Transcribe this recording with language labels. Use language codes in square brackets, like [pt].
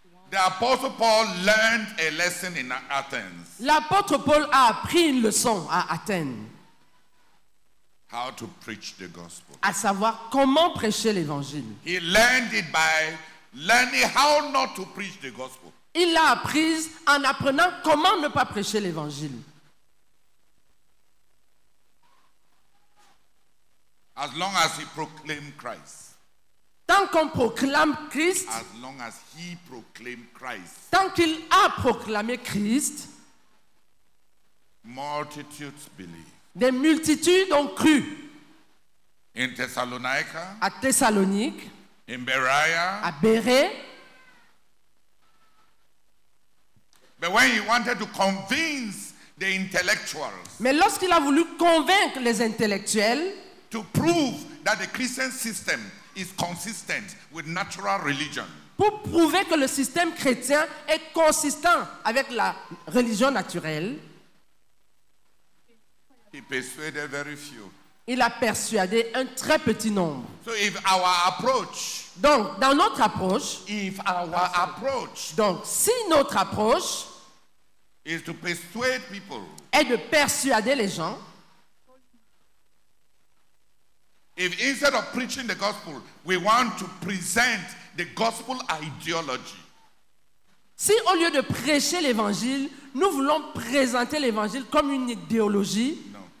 [en] The Apostle Paul learned a lesson in Athens. [fr] L'apôtre Paul a appris une leçon à Athènes. [en] How to preach the gospel. [fr] À savoir comment prêcher l'évangile. [en] He learned it by learning how not to preach the gospel. [fr] Il l'a apprise en apprenant comment ne pas prêcher l'évangile. [en] As long as he proclaimed Christ. [fr] Tant qu'on proclame Christ, [en] as long as he proclaimed Christ, [fr] tant qu'il a proclamé Christ, [en] multitudes believe. [fr] Des multitudes ont cru. [en] In Thessalonica, [fr] à Thessalonique, [en] in Beria, [fr] à Bérée. [en] But when he wanted to convince the intellectuals, [fr] mais lorsqu'il a voulu convaincre les intellectuels, [en] to prove that the Christian system is consistent with natural religion, [fr] pour prouver que le système chrétien est consistant avec la religion naturelle, [en] he persuaded very few. [fr] Il a persuadé un très petit nombre. [en] So if our approach, [fr] donc, dans notre approche, [en] if our approach, [fr] donc, si notre approche [en] is to persuade people, [fr] est de persuader les gens, [en] if instead of preaching the gospel, we want to present the gospel ideology, [fr] si au lieu de prêcher l'évangile, nous voulons présenter l'évangile comme une idéologie, [en] no.